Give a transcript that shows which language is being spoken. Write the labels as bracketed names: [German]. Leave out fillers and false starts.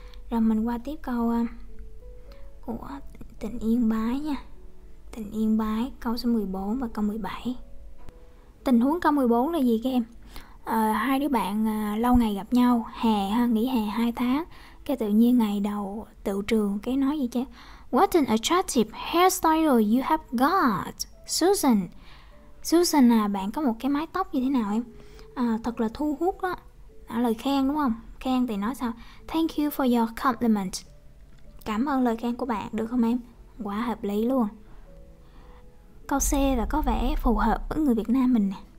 [Vietnamese] Rồi mình qua tiếp câu của tỉnh Yên Bái nha. Tỉnh Yên Bái, câu số 14 và câu 17. Tình huống câu 14 là gì các em? Hai đứa bạn lâu ngày gặp nhau, hè ha, nghỉ hè 2 tháng. Cái tự nhiên ngày đầu tự trường cái nói gì chứ? [English] What an attractive hairstyle you have got, Susan. [Vietnamese] Susan à, bạn có một cái mái tóc như thế nào em? Thật là thu hút đó. Lời khen đúng không? Khen thì nói sao? [English] Thank you for your compliment. [Vietnamese] Cảm ơn lời khen của bạn, được không em? Quá hợp lý luôn. Câu C là có vẻ phù hợp với người Việt Nam mình nè.